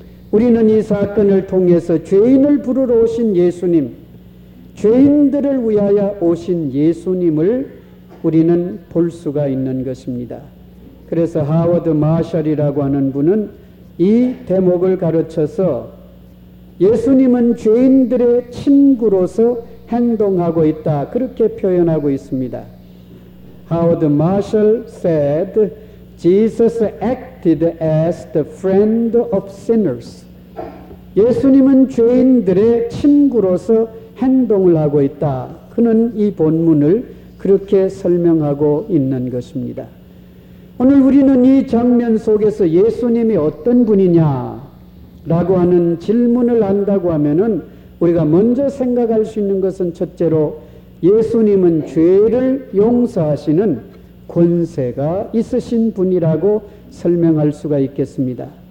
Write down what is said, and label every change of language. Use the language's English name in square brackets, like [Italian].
[Korean] 우리는 이 사건을 통해서 죄인을 부르러 오신 예수님, 죄인들을 위하여 오신 예수님을 우리는 볼 수가 있는 것입니다. 그래서 하워드 마셜이라고 하는 분은 이 대목을 가르쳐서 예수님은 죄인들의 친구로서 행동하고 있다, 그렇게 표현하고 있습니다. [English] Howard Marshall said, Jesus acted as the friend of sinners. [Korean] 예수님은 죄인들의 친구로서 행동을 하고 있다. 그는 이 본문을 그렇게 설명하고 있는 것입니다. 오늘 우리는 이 장면 속에서 예수님이 어떤 분이냐라고 하는 질문을 한다고 하면은 우리가 먼저 생각할 수 있는 것은 첫째로 예수님은 죄를 용서하시는 권세가 있으신 분이라고 설명할 수가 있겠습니다.